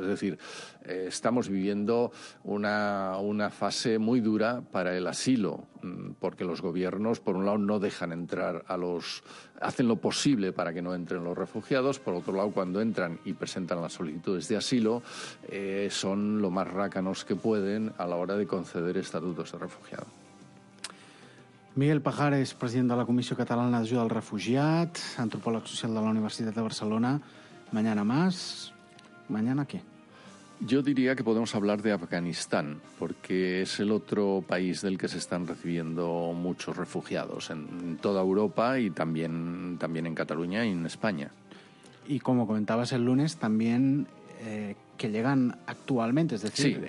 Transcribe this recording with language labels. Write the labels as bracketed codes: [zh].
[es] Es decir, estamos viviendo una fase muy dura para el asilo, porque los gobiernos, por un lado, no dejan entrar a los, hacen lo posible para que no entren los refugiados, por otro lado, cuando entran y presentan las solicitudes de asilo, son lo más rácanos que pueden a la hora de conceder estatutos de refugiado. [ca] Miguel Pajares, president de la Comissió Catalana d'Ajuda al Refugiat, antropòleg social de la Universitat de Barcelona. [es] Mañana más. ¿Mañana qué? Yo diría que podemos hablar de Afganistán, porque es el otro país del que se están recibiendo muchos refugiados en toda Europa y también en Cataluña y en España. Y como comentabas el lunes, también que llegan actualmente, es decir,